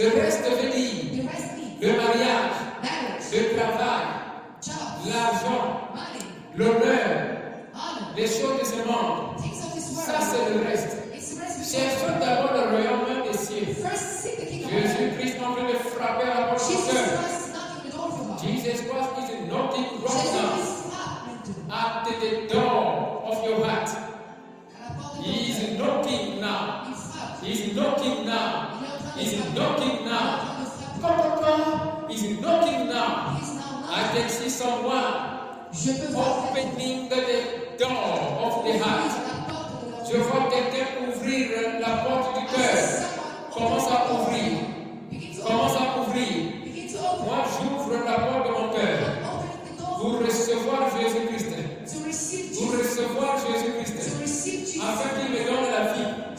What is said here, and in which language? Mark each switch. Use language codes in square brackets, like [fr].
[fr] Le reste veut dire. Le mariage. Le travail. L'argent. L'honneur. Les choses de ce monde. Ça c'est le reste. Cherchons d'abord le royaume des cieux. Jésus-Christ en train de frapper à votre cœur. [en] Jesus Christ is knocking right now at the door of your heart. He is knocking now. He is knocking now. He is knocking now. Come, come, come. He is knocking now. I can see someone opening the door of the heart. [fr] Je vois quelqu'un ouvrir la porte du cœur. Commence à ouvrir. Commence à ouvrir. Moi, j'ouvre la porte de mon cœur pour recevoir Jésus-Christ. Pour recevoir Jésus-Christ. Afin qu'il me donne la vie.